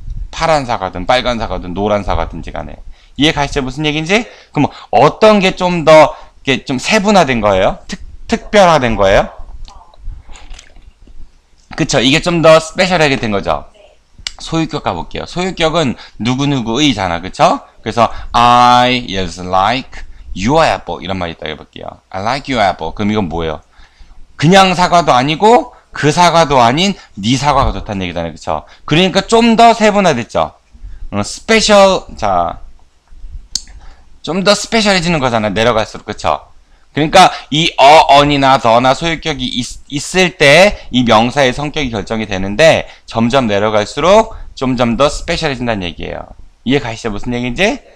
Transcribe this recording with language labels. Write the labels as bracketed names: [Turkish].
[Korean] 파란 사과든 빨간 사과든 노란 사과든지 간에. 이해 가시죠? 무슨 얘기인지? 그럼 어떤 게좀더 이게 좀 세분화된 거예요? 특별화된 거예요? 그쵸. 이게 좀더 스페셜하게 된 거죠. 소유격 가볼게요. 소유격은 누구누구의잖아. 그쵸? 그래서 [English] I is like your apple. [Korean] 이런 말 있다 해볼게요. [English] I like your apple. [Korean] 그럼 이건 뭐예요? 그냥 사과도 아니고 그 사과도 아닌 네 사과가 좋다는 얘기잖아요. 그쵸? 그러니까 좀더 세분화됐죠. 스페셜, 자, 좀더 스페셜해지는 거잖아. 내려갈수록. 그쵸? 그러니까 이 언이나 더나 소유격이 있을 때이 명사의 성격이 결정이 되는데 점점 내려갈수록 점점 더 스페셜해진다는 얘기예요. 이해가시죠? 무슨 얘기인지?